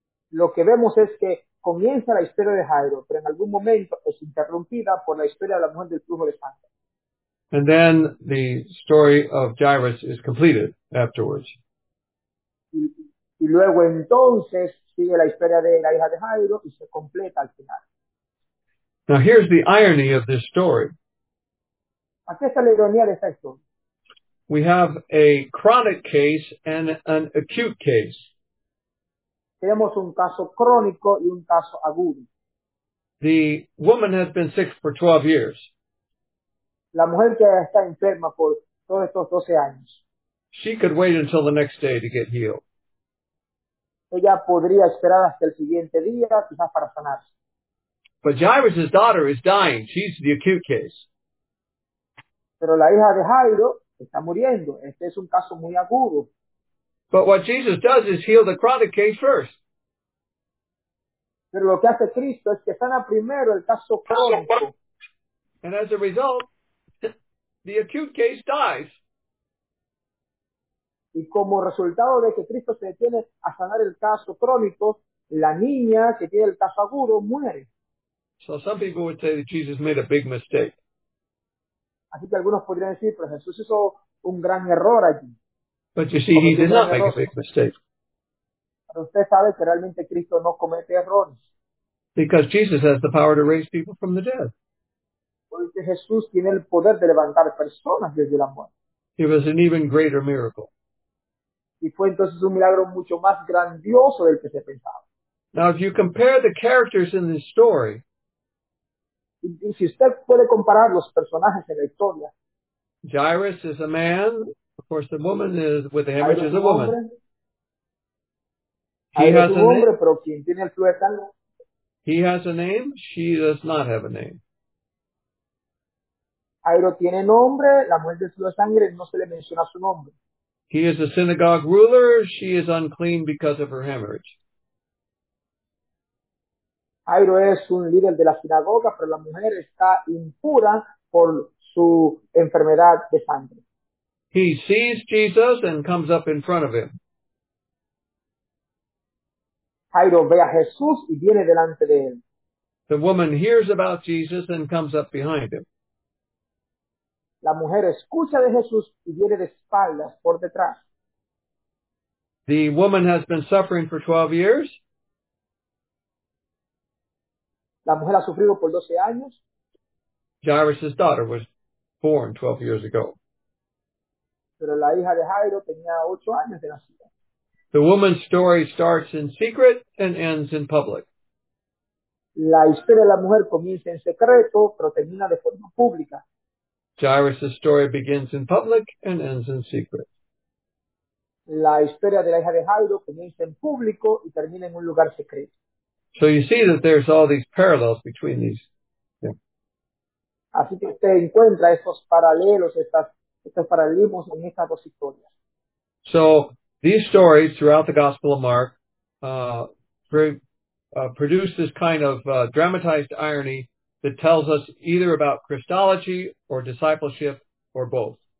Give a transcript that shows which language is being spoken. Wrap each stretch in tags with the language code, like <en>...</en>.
<es>Lo que vemos es que comienza la historia de Jairo, pero en algún momento es interrumpida por la historia de la mujer del flujo de sangre.</es> <en>And then the story of Jairus is completed afterwards.</en> <es>Y luego entonces sigue la historia de la hija de Jairo y se completa al final.</es> <en>Now here's the irony of this story.</en> <es>Aquí está la ironía de esta historia.</es> <en>We have a chronic case and an acute case.</en> <es>Tenemos un caso crónico y un caso agudo.</es> <en>The woman has been sick for 12 years.</en> <es>La mujer que está enferma por todos estos 12 años.</es> <en>She could wait until the next day to get healed.</en> <es>Ella podría esperar hasta el siguiente día, quizás para sanarse.</es> <en>But Jairus' daughter is dying. She's the acute case.</en> <es>Pero la hija de Jairo está muriendo. Este es un caso muy agudo.</es> <en>But what Jesus does is heal the chronic case first.</en> <es>Pero lo que hace Cristo es que sana primero el caso crónico.</es> <en>And as a result, the acute case dies.</en> <es>Y como resultado de que Cristo se detiene a sanar el caso crónico, la niña que tiene el caso agudo muere.</es> <en>So some people would say that Jesus made a big mistake.</en> <es>Así que algunos podrían decir, pero Jesús hizo un gran error allí.</es> <en>But you see, he did not make a big mistake.</en> <es>Pero usted sabe que realmente Cristo no comete errores.</es> <en>Because Jesus has the power to raise people from the dead.</en> <es>Porque Jesús tiene el poder de levantar personas desde la muerte.</es> <en>It was an even greater miracle.</en> <es>Y fue entonces un milagro mucho más grandioso del que se pensaba.</es> <en>Now, if you compare the characters in this story,</en> <es>y si usted puede comparar los personajes en la historia,</es> <en>Jairus is a man. Of course, the woman is with the hemorrhage is a woman. He has a name. She does not have a name.</en> <es>Jairo tiene nombre. La mujer del flujo de sangre no se le menciona su nombre.</es> <en>He is a synagogue ruler. She is unclean because of her hemorrhage.</en> <es>Jairo es un líder de la sinagoga, pero la mujer está impura por su enfermedad de sangre.</es> <en>He sees Jesus and comes up in front of him.</en> <es>Jairo ve a Jesús y viene delante de él.</es> <en>The woman hears about Jesus and comes up behind him.</en> <es>La mujer escucha de Jesús y viene de espaldas por detrás.</es> <en>The woman has been suffering for 12 years.</en> <es>La mujer ha sufrido por 12 años.</es> <en>Jairus' daughter was born 12 years ago.</en> <es>Pero la hija de Jairo tenía 8 años de nacida.</es> <en>The woman's story starts in secret and ends in public.</en> <es>La historia de la mujer comienza en secreto, pero termina de forma pública.</es> <en>Jairus' story begins in public and ends in secret.</en> <es>La historia de la hija de Jairo comienza en público y termina en un lugar secreto.</es> <en>So you see that there's all these parallels between these. Yeah.</en> <es>Así que usted encuentra estos paralelos, estos paralelismos en estas dos historias.</es> <en>So these stories throughout the Gospel of Mark produce this kind of dramatized irony that tells us either about Christology or discipleship or both.</en>